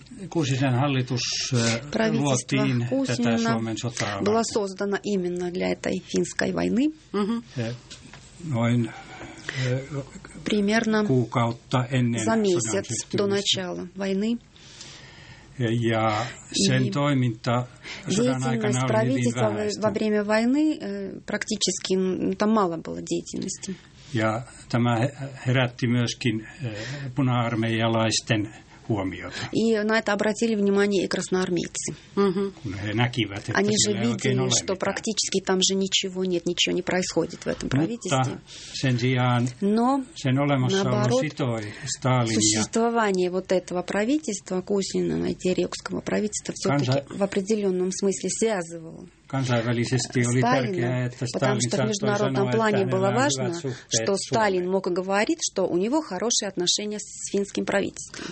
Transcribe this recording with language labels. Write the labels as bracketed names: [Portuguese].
[Finnish] Kuusisen hallitus luotiin tätä Suomen sotaa varten. [Russian] Была создана именно для этой финской войны. [Finnish] Noin [Russian] примерно [Finnish] kuukautta ennen [Russian] за месяц до начала войны. [Finnish] Ja sen и toiminta sodan aikana oli hyvin vähäistä. [Russian] Во время войны практически там мало было деятельности. [Finnish] Ja tämä herätti myöskin puna-armeijalaisten huomiota. [Russian] И на это обратили внимание и красноармейцы. [Finnish] Kun he näkivät, että [Russian] они же видели, что [Finnish] mitään [Russian] практически там же ничего нет, ничего не происходит в этом правительстве. [Finnish] Mutta sen sijaan, но, sen [Russian] наоборот, [Finnish] sitoi Stalinia. [Russian] Существование вот этого правительства, Кусинина и Терёкского правительства, все-таки в определенном смысле связывало [Finnish] kansainvälisesti oli [Russian] Сталина, потому что в международном плане было важно, что Сталин мог говорить, что у него хорошие отношения с финским правительством.